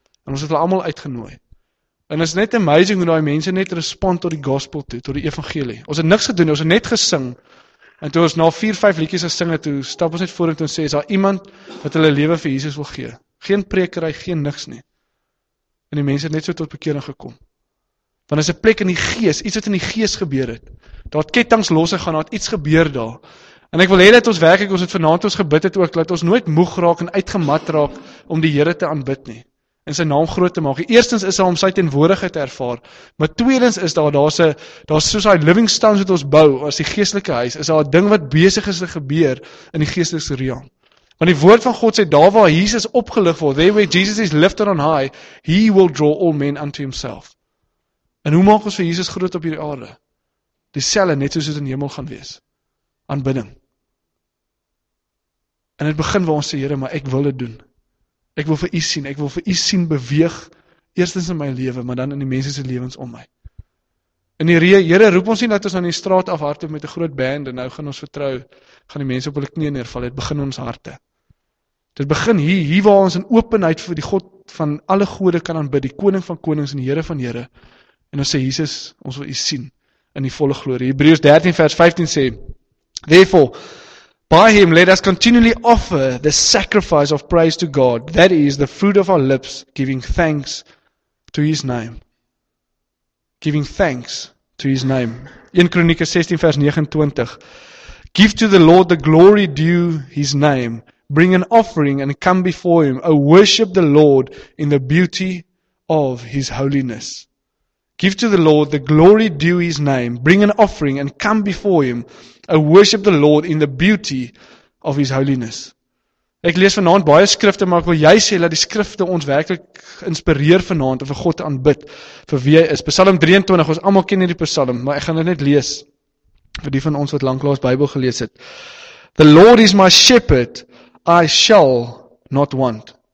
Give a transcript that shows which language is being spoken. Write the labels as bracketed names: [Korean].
[Afrikaans] En ons het hulle almal uitgenooi. En is net amazing hoe daai mense net respond tot die gospel toe, tot die evangelie. Ons het niks gedoen nie, ons het net gesing. En toe ons na 4-5 liedjies gesing het, toe stap ons net voor en toe sê, is daar iemand wat hulle lewe vir Jesus wil gee? Geen prekerry, geen niks nie. En die mense het net so tot bekering gekom. Want is 'n plek in die gees, iets wat in die gees gebeur het. Daar het kettings los gegaan, daar het iets gebeur daar. En ek wil hê dat ons werklik, ons het vanaand ons gebid het ook, dat ons nooit moeg raak en uitgemat raak om die Here te aanbid nie. En sy naam groot te maak. Eerstens is daar om sy teenwoordigheid te ervaar, maar tweedens is daar's soos hy [English] living stones [Afrikaans] wat ons bou, as die geestelike huis, is daar 'n ding wat besig is te gebeur in die geestelike riem. Want die woord van God sê, daar waar Jesus opgelig word, [English] there where Jesus is lifted on high, he will draw all men unto himself. [Afrikaans] En hoe maak ons vir Jesus groot op hierdie aarde? Die selle, net soos het in hemel gaan wees. Aanbidding. En het begin waar ons sê, Here, maar ek wil dit doen. Ek wil vir u sien, ek wil vir u sien beweeg, eerstens in my lewe, maar dan in die mense se lewens om my. In die Here roep ons nie dat ons aan die straat af hardloop met 'n groot band en nou gaan ons vertrou, gaan die mense op hulle knieën neerval, dit begin ons harte. Dit begin hier waar ons in openheid vir die God van alle gode kan aanbid, die koning van konings en die Here van Here. En ons sê, Jesus, ons wil u sien in die volle glorie. Hebreërs 13 vers 15 sê, [English] therefore, by him let us continually offer the sacrifice of praise to God, that is the fruit of our lips, giving thanks to his name. Giving thanks to his name. [Afrikaans] 1 Kronieke 16 vers 29. [English] Give to the Lord the glory due his name. Bring an offering and come before him. O worship the Lord in the beauty of his holiness. Give to the Lord the glory due his name. Bring an offering and come before him. O worship the Lord in the beauty of his holiness. [Afrikaans] Ek lees vanaand baie skrifte, maar ek wil jy sê dat die skrifte ons werklik inspireer vanaand om vir God te aanbid vir wie hy is. Psalm 23, ons almal ken hierdie psalm, maar ek gaan dit net lees vir die van ons wat lanklaas Bybel gelees het. [English] The Lord is my shepherd, I shall not want.